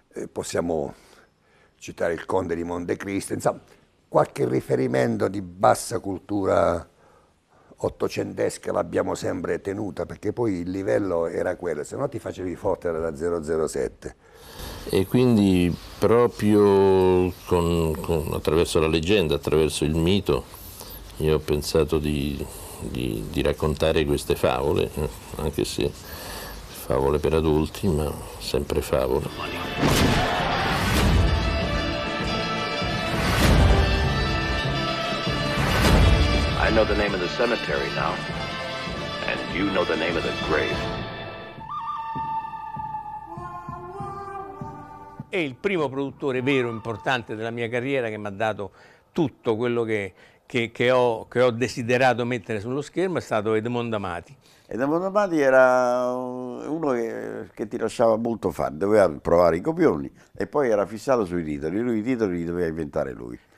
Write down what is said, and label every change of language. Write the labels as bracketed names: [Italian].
[Italian] possiamo citare Il Conte di Montecristo, insomma, qualche riferimento di bassa cultura ottocentesca l'abbiamo sempre tenuta, perché poi il livello era quello, se no ti facevi forte dalla 007. E quindi proprio attraverso la leggenda, attraverso il mito, io ho pensato di raccontare queste favole, anche se favole per adulti, ma sempre favole. [English] I know the name of the cemetery now, and you know the name of the grave. [Italian] È il primo produttore vero importante della mia carriera, che mi ha dato tutto quello che ho desiderato mettere sullo schermo, è stato Edmond Amati. Edmond Amati era uno che ti lasciava molto fare, doveva provare i copioni e poi era fissato sui titoli, lui i titoli li doveva inventare lui.